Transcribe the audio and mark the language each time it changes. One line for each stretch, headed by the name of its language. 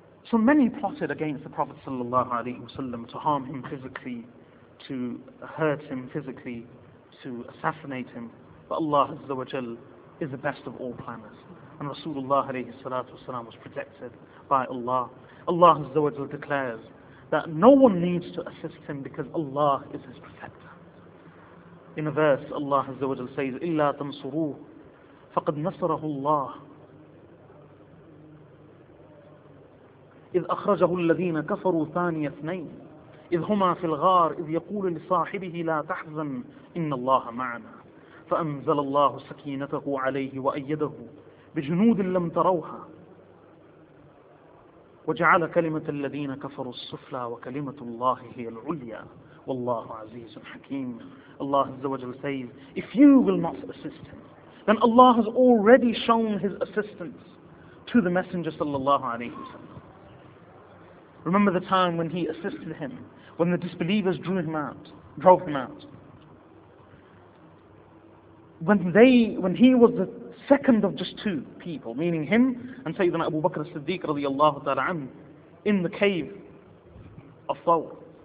English: So many plotted against the Prophet sallallahu alayhi wa sallam to harm him physically, to hurt him physically, to assassinate him. But Allah Azza wa Jal is the best of all planners. And Rasulullah alayhi salatu wasalam was protected by Allah. Allah Azza wa Jal declares that no one needs to assist him because Allah is his protector. In a verse, Allah Azza wa Jal says,
Arabic: إِلَّا تَنْصُرُوهُ فَقَدْ نَصَرَهُ اللَّهُ إِذْ أَخْرَجَهُ الَّذِينَ كَفَرُوا ثَانِيَ اثْنَيْنِ إِذْ هُمَا فِي الْغَارِ إِذْ يَقُولُ لِصَاحِبِهِ لَا تَحْزَنْ إِنَّ اللَّهَ مَعَنَا فأنزل الله سكينته عليه وأيده بجنود لم تروها وجعل كلمة الذين كفروا السفلى وكلمة الله هي العليا والله عزيز حكيم.
English: Allah Azza wa Jal says, if you will not assist him, then Allah has already shown His assistance to the Messenger sallallahu alayhi wa sallam. Remember the time when He assisted him, when the disbelievers drove him out. When he was the second of just two people, meaning him and Sayyidina Abu Bakr as-Siddiq radiallahu ta'ala anhu, in the cave of Thawr.